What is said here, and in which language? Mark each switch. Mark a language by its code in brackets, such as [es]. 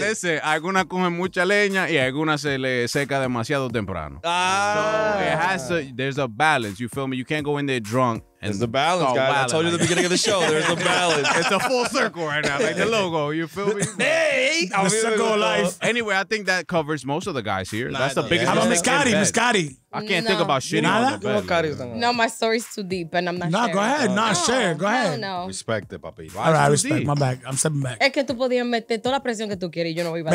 [es] Listen, algunas cogen mucha leña y algunas se le seca demasiado temprano. Ah. [en] So it has to, there's a balance, you feel me? You can't go in there drunk. There's a balance, guys. I told you at the beginning of the show, there's a balance. It's a full circle right now, like the logo, you feel me? Hey! The circle of life. Anyway, I think that covers most of the guys here. Nah, that's the biggest. How about Miscotti? Miscotti? I can't think about shitting on the bed. No, my story's too deep, and I'm not sharing. No, go ahead. No, share. Go ahead. No. Respect it, papi. All right, I respect my back. I'm stepping back. [es] Es que tú podías meter toda la presión que tú quieres y yo no iba a